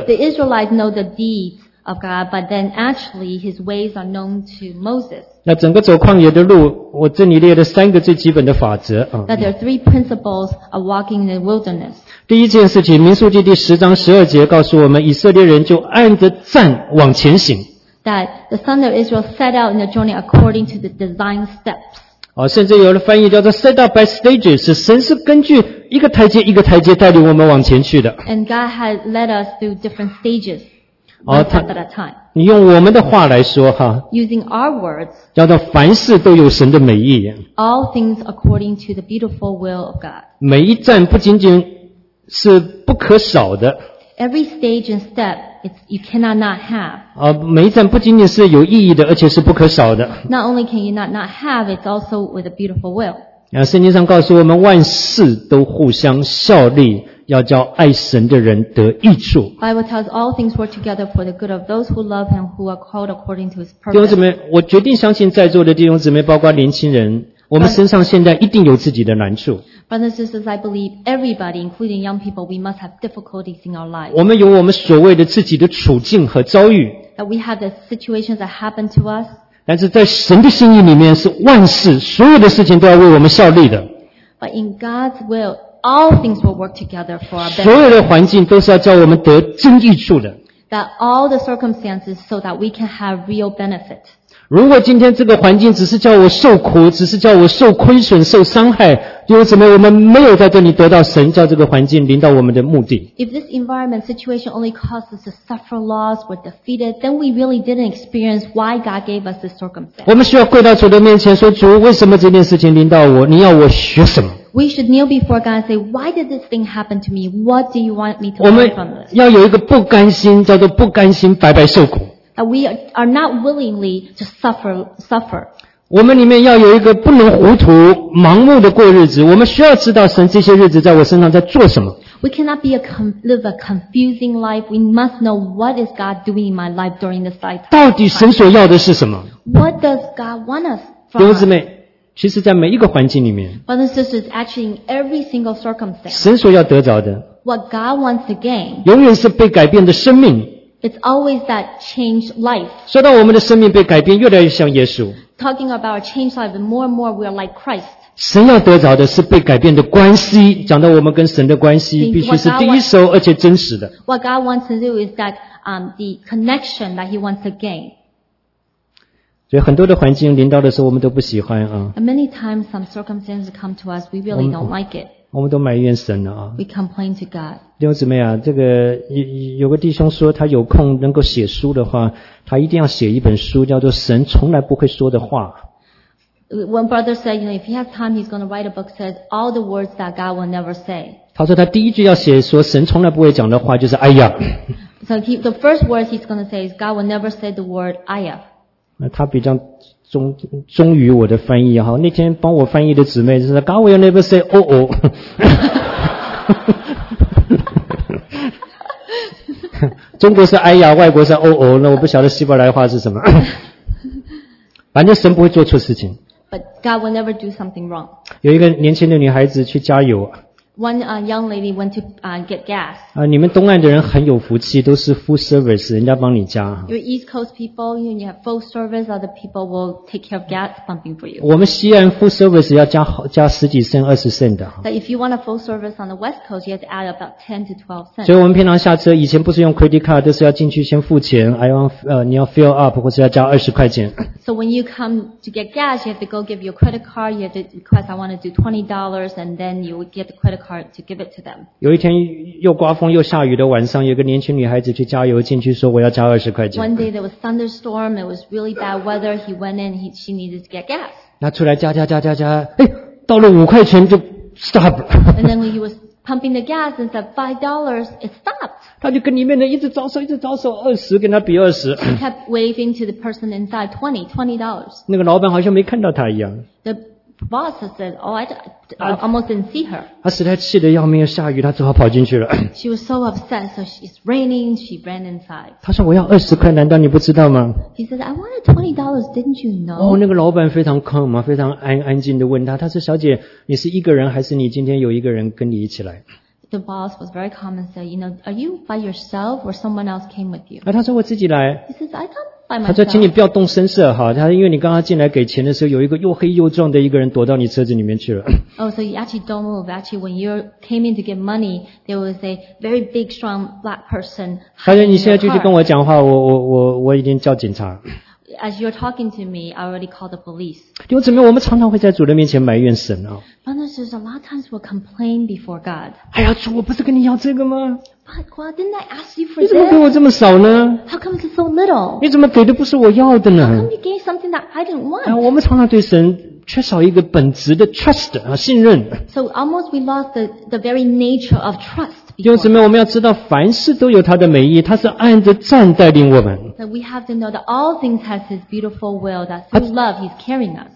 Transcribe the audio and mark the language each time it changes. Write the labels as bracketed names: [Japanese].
[English] The Israelites know the deeds of God, but then actually His ways are known to Moses. [Chinese] 那整个走旷野的路，我这里列了三个最基本的法则啊。 [English] That there are three principles of walking in the wilderness. [Chinese] 第一件事情，民数记第十章十二节告诉我们，以色列人就按着站往前行。 [English] That the son of Israel set out in the journey according to the designed steps. [Chinese] 哦，甚至有的翻译叫做 [English] set out by stages， [Chinese] 神是根据一个台阶一个台阶带领我们往前去的。 [English] And God had led us through different stages. [Chinese] 哦、你用我们的话来说哈 [English] ，using our words， [Chinese] 叫做凡事都有神的美意。 [English] All things according to the beautiful will of God。 [Chinese] 每一站不仅仅是不可少的。 [English] Every stage and step, it's you cannot not have。 [Chinese] 啊，每一站不仅仅是有意义的，而且是不可少的。 [English] Not only can you not have, it's also with a beautiful will。 [Chinese] 啊，圣经上告诉我们，万事都互相效力。要叫爱神的人得益处。 [English] Bible tells all things work together for the good of those who love Him, who are called according to His purpose. [Chinese] 弟兄姊妹，我决定相信在座的弟兄姊妹，包括年轻人，我们身上现在一定有自己的难处。 [English] Brothers and sisters, I believe everybody, including young people, we must have difficulties in our lives. [Chinese] 我们有我们所谓的自己的处境和遭遇。 [English] That we have the situations that happen to us. [Chinese] 但是在神的心意里面，是万事所有的事情都要为我们效力的。 [English] But in God's will. All things will work together for our benefit. [Chinese] 所有的环境都是要叫我们得真益处的。 [English] That all the circumstances so that we can have real benefit. [Chinese] 如果今天这个环境只是叫我受苦，只是叫我受亏损、受伤害，又怎么我们没有在这里得到神叫这个环境临到我们的目的 [English] ？If this environment situation only caused us to suffer loss or defeated, then we really didn't experience why God gave us this circumstance. [Chinese] 我们需要跪到主的面前说：“主，为什么这件事情临到我？你要我学什么？” [English] We should kneel before God and say, "Why did this thing happen to me? What do you want me to learn from this?" [Chinese] 我们要有一个不甘心，叫做不甘心白白受苦。 [English] We are not willingly to suffer. [Chinese] 我们里面要有一个不能糊涂、盲目的过日子。我们需要知道神这些日子在我身上在做什么。 [English] We cannot be live a confusing life. We must know what is God doing in my life during this life. [Chinese] 到底神所要的是什么 [English] ？What does God want us from? [Chinese] 弟兄姊妹。其实在每一个环境里面 [English] But this is actually in every single circumstance. [Chinese] 神所要得着的 [English] What God wants to gain. [Chinese] 永远是被改变的生命 [English] It's always that changed life. [Chinese] 说到我们的生命被改变越来越像耶稣 [English] Talking about our changed life, more and more we are like Christ. [Chinese] 神要得着的是被改变的关系讲到我们跟神的关系必须是第一手而且真实的 [English] What God wants to do is that, the connection that He wants to gain. [Chinese] 所以很多的环境临到的时候我们都不喜欢啊。 [English] And many times some circumstances come to us, we really don't like it. [Chinese] 我们都埋怨神了啊。 [English] We complain to God. [Chinese] 弟兄姊妹啊这个 有个弟兄说他有空能够写书的话他一定要写一本书叫做神从来不会说的话。 [English] One brother said, you know, if he has time, he's going to write a book says all the words that God will never say. [Chinese] 他说他第一句要写说神从来不会讲的话就是哎呀。 [English] So the first words he's going to say is God will never say the word, [Chinese] 哎呀。那他比较忠于我的翻译哈，那天帮我翻译的姊妹就是 [English] God will never say [Chinese] 哦哦，中国是哎呀，外国是哦哦，那我不晓得希伯来话是什么，反正神不会做错事情。 [English] But God will never do something wrong. [Chinese] 有一个年轻的女孩子去加油。 [English] One young lady went to get gas. [Chinese] 你们东岸的人很有福气，都是 full service， 人家帮你加。 [English] Your East Coast people, you have full service. Other people will take care of gas pumping for you. [Chinese] 我们西岸 full service 要加十几升、二十升的。 [English] But if you want a full service on the West Coast, you have to add about 10 to 12 cents. [Chinese] 所以我们平常下车，以前不是用 credit card， 都是要进去先付钱。你要 fill up 或是要加20块钱。 [English] So when you come to get gas, you have to go give your credit card. You have to request, I want to do $20, and then you would get the credit card to give it to them. [Chinese] 有一天又刮风又下雨的晚上，有个年轻女孩子去加油，进去说我要加20块钱。 [English] One day there was thunderstorm. It was really bad weather. He went in. She needed to get gas. [Chinese] 那出来加，到了5块钱就 stop 了。 [English] And then when he was pumping the gas and said $5, it stopped. [Chinese] 他就跟里面的一直招手，20跟他比20。 [English] He kept waving to the person inside $20. [Chinese] 那个老板好像没看到他一样。 [English] Boss said, "Oh, I almost didn't see her." [Chinese] 她实在气得要命，下雨，她只好跑进去了。 [English] She was so upset, so it's raining. She ran inside. [Chinese] 她说：“我要20块，难道你不知道吗？” [English] He said, "I wanted $20, didn't you know?" [Chinese] 那个老板非常 calm 啊，非常安静的问她。他说：“小姐，你是一个人，还是你今天有一个人跟你一起来？” [English] The boss was very calm and said, "You know, are you by yourself or someone else came with you?" [Chinese] 她说：“我自己来。” [English] He says, "I come." [Chinese] 他说请你不要动声色哈，他因为你刚刚进来给钱的时候，有一个又黑又壮的一个人躲到你车子里面去了。 [English] Oh, so you actually don't move. Actually, when you came in to get money, there was a very big, strong black person. [Chinese] 他说你现在继续跟我讲话，我已经叫警察。 [English] As you're talking to me, I already called the police. [Chinese] 弟兄姊妹，我们常常会在主的面前埋怨神啊。 [English] Brothers, there's a lot of times we'll complain before God. [Chinese] 哎呀，主，我不是跟你要这个吗？ [English] God, didn't I ask you for this? [Chinese] 你怎么给我这么少呢？ [English] How come it's so little? [Chinese] 你怎么给的不是我要的呢？ [English] How come you gave something that I didn't want? [Chinese] 我们常常对神缺少一个本质的 trust 啊，信任。 [English] So almost we lost the very nature of trust. [Chinese] 弟兄姊妹，我们要知道，凡事都有他的美意，他是按着赞带领我们。 [English] So we have to know that all things has his beautiful will. That through love, he's carrying us.